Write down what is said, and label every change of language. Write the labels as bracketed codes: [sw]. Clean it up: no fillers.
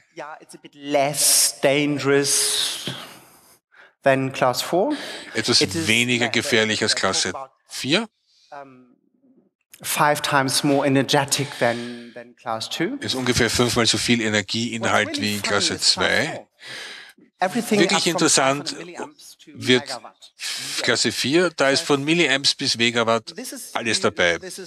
[en] Ja, it's a bit less dangerous than class 4. [de] Etwas weniger gefährlich als Klasse 4. [en] Five times more energetic than class 2. [de] Es ist ungefähr fünfmal so viel Energieinhalt wie in Klasse 2. Wirklich interessant wird Klasse 4, da ist von Milliamps bis Megawatt alles dabei.